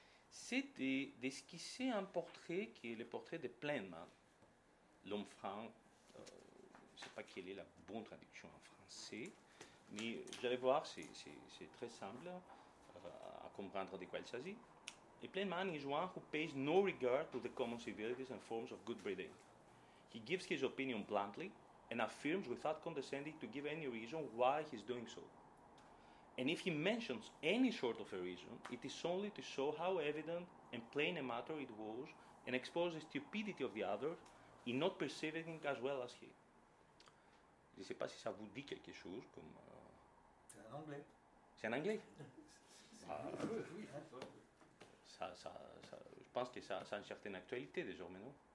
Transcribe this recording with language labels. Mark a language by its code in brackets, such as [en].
[fr] C'est d'esquisser un portrait qui est le portrait de [en] plein man, [fr] l'homme franc. Je ne sais pas quelle est la bonne traduction en français, mais vous allez voir, c'est très simple à comprendre de quoi il s'agit. [en] A plain man is one who pays no regard to the common civilities and forms of good breeding. He gives his opinion bluntly and affirms without condescending to give any reason why he's doing so. And if he mentions any sort of a reason, it is only to show how evident and plain a matter it was and expose the stupidity of the other in not perceiving as well as he. [fr] Je ne sais pas si ça vous dit quelque chose comme... C'est en anglais. C'est en anglais. Oui, ça, je pense que ça a une certaine actualité désormais, non?